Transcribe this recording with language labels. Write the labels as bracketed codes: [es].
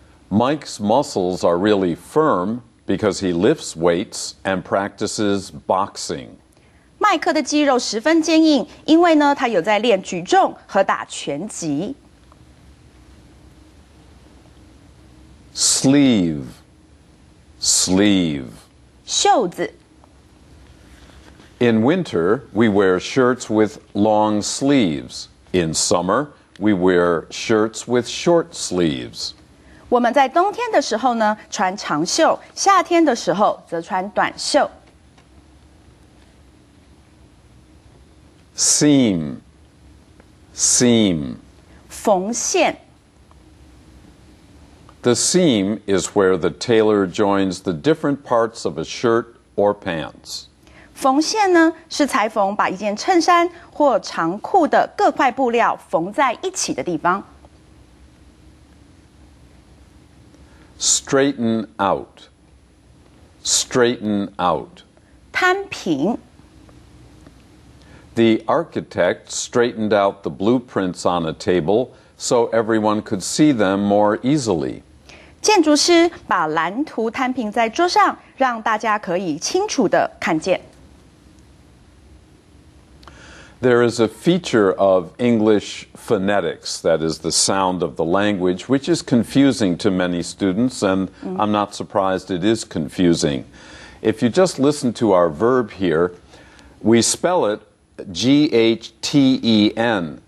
[en] Mike's muscles are really firm. Because he lifts weights and practices boxing. [zh] 麦克的肌肉十分坚硬，因为呢，他有在练举重和打拳击。 [en] Sleeve, sleeve. [zh] 袖子。 [en] In winter, we wear shirts with long sleeves. In summer, we wear shirts with short sleeves. [zh] 我们在冬天的时候呢穿长袖，夏天的时候则穿短袖。 [en] Seam, seam. [zh] 缝线。 [en] The seam is where the tailor joins the different parts of a shirt or pants. [zh] 缝线呢是裁缝把一件衬衫或长裤的各块布料缝在一起的地方。 [en] Straighten out, straighten out. [zh] 摊平。 [en] The architect straightened out the blueprints on a table so everyone could see them more easily. [zh] 建筑师把蓝图摊平在桌上，让大家可以清楚地看见。 [en] There is a feature of English phonetics, that is the sound of the language, which is confusing to many students, and I'm not surprised it is confusing. If you just listen to our verb here, we spell it G-H-T-E-N.